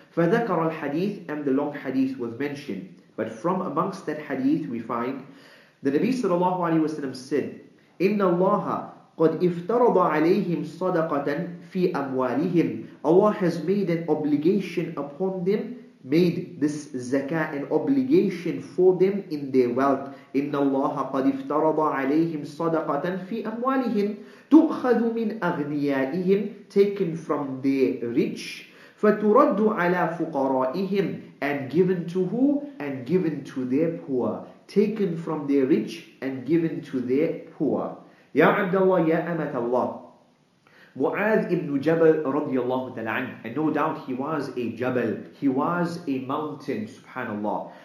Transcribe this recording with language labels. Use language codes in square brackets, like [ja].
[en] Fadhakar al-hadith, and the long hadith was mentioned. But from amongst that hadith we find, the Nabi sallallahu alayhi wa sallam said, [ar] إِنَّ اللَّهَ قَدْ إِفْتَرَضَ عَلَيْهِمْ صَدَقَةً فِي أَمْوَالِهِمْ. [en] Allah has made an obligation upon them, made this zakah an obligation for them in their wealth. [ar] إِنَّ اللَّهَ قَدْ إِفْتَرَضَ عَلَيْهِمْ صَدَقَةً فِي أَمْوَالِهِمْ تُؤْخَذُ مِنْ أَغْنِيَائِهِمْ, [en] taken from their rich. [ar] فَتُرَدُّ عَلَى فُقَرَائِهِمْ, [en] and given to who? And given to their poor. Taken from their rich and given to their poor. Ya Abdullah, Ya Amat Allah, Mu'adh ibn Jabal radiyallahu ta'ala anhu, and no doubt he was a Jabal, he was a mountain, subhanallah.